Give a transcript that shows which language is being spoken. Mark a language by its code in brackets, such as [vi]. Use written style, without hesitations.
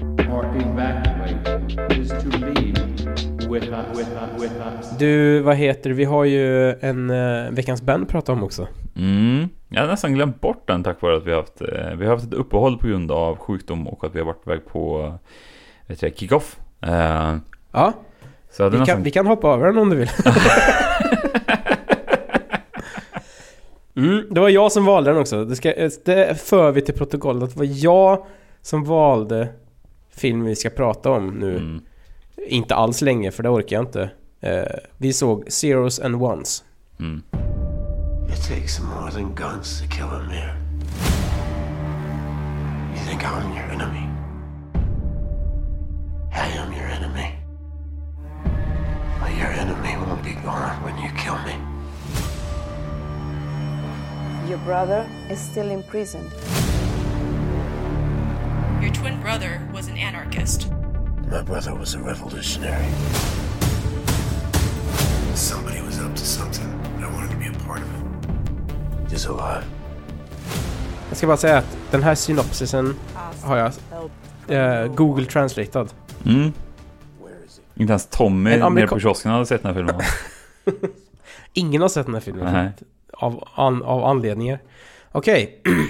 [en] or evacuate is to leave with us. [sv] Du, vad heter? Vi har ju en veckans band att prata om också. Jag har nästan glömt bort den, tack vare att vi har haft ett uppehåll på grund av sjukdom och att vi har varit iväg på kickoff. Ja. Så vi kan hoppa över den om du vill. Det var jag som valde den också. Det för vi till protokollet att det var jag som valde film vi ska prata om nu. Mm. Inte alls länge, för det orkar jag inte. Vi såg Zeros and Ones. Mm. [en] It takes more than guns to kill a mirror. You think I'm your enemy? I am your enemy. But your enemy won't be gone when you kill me. Your brother is still imprisoned. Your twin brother was an anarchist. My brother was a revolutionary. Somebody was up to something. I wanted to be a part of it. He's alive. [sv] Jag ska bara säga att den här synopsisen har jag Google Translated. Inte ens Tommy nere på kiosken hade sett den här filmen. Ingen har sett den här filmen. Nej. Av anledningar. Okej.